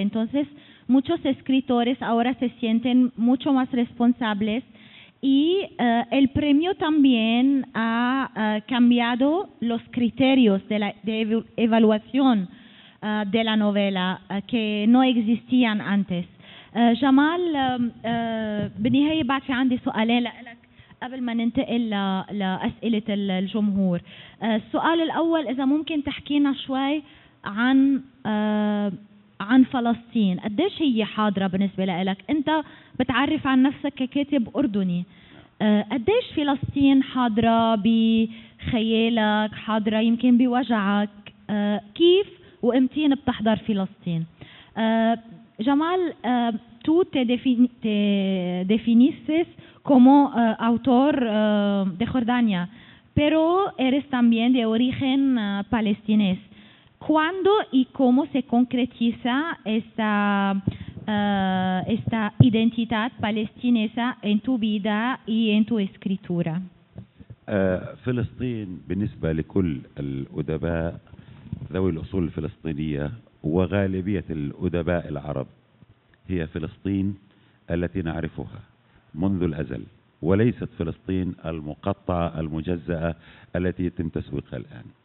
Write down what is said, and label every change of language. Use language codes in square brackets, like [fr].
[es] Entonces, muchos escritores ahora se sienten mucho más responsables y el premio también ha cambiado los criterios de evaluación de la novela que no existían antes. [ar] Jamal, بنهاية بعد في عندي سؤالين لك قبل ما ننتقل لأسئلة الجمهور. السؤال الأول إذا ممكن تحكينا شوي عن فلسطين. قديش هي حاضرة بالنسبة لك؟ أنت بتعرف عن نفسك ككاتب أردني. قديش فلسطين حاضرة بخيالك، حاضرة يمكن بوجعك؟ كيف وإمتين بتحضر فلسطين؟ [es] جمال، tú te definiste como autor de Jordania, pero eres también de origen palestinés. ¿Cuándo y cómo se concretiza esta identidad palestinesa en tu vida y en tu escritura? [ar] فلسطين بالنسبة لكل الأدباء ذوي الأصول الفلسطينية وغالبية الأدباء العرب هي فلسطين التي نعرفها منذ الأزل وليست فلسطين المقطعة المجزأة التي يتم تسويقها الآن.